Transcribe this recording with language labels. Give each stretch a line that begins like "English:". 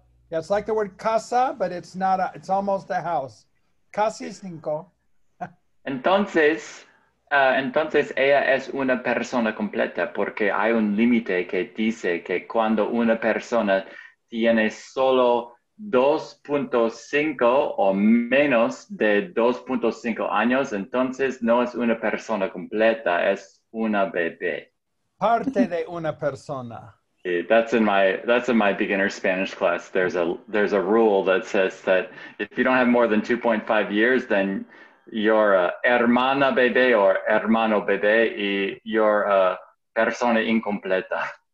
English: Yeah, it's like the word casa, but it's not, it's almost a house.
Spanish: Casi cinco. Entonces, ella es una persona completa porque hay un límite que dice que cuando una persona tiene solo 2.5 o menos de 2.5 años, entonces no es una persona completa, es una bebé. Parte de una persona.
English: That's in my beginner Spanish class. There's a rule that says that if you don't have more than 2.5 years, then you're a
Spanish: hermana bebé
English: or
Spanish: hermano bebé,
English: y you're a
Spanish: persona incompleta.